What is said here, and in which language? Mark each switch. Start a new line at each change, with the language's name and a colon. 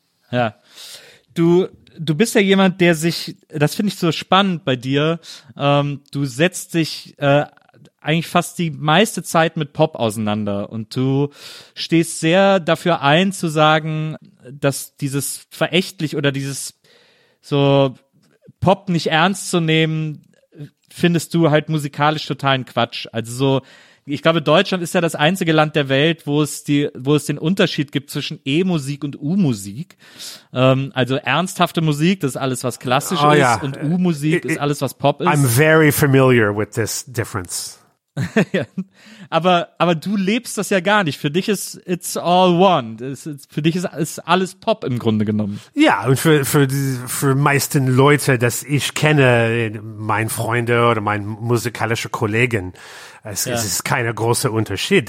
German: Ja, du bist ja jemand, der sich, das finde ich so spannend bei dir, du setzt dich eigentlich fast die meiste Zeit mit Pop auseinander und du stehst sehr dafür ein zu sagen, dass dieses verächtlich oder dieses so Pop nicht ernst zu nehmen, findest du halt musikalisch totalen Quatsch. Also so, ich glaube, Deutschland ist ja das einzige Land der Welt, wo es den Unterschied gibt zwischen E-Musik und U-Musik. Also ernsthafte Musik, das ist alles, was klassisch ist, und U-Musik ist alles, was Pop ist.
English: I'm very familiar with this difference.
German: aber du lebst das ja gar nicht. Für dich ist
English: it's all one.
German: Für dich ist alles Pop im Grunde genommen. Ja, und für meisten Leute, das ich kenne, meine Freunde oder meine musikalische Kollegen, es ist kein großer Unterschied.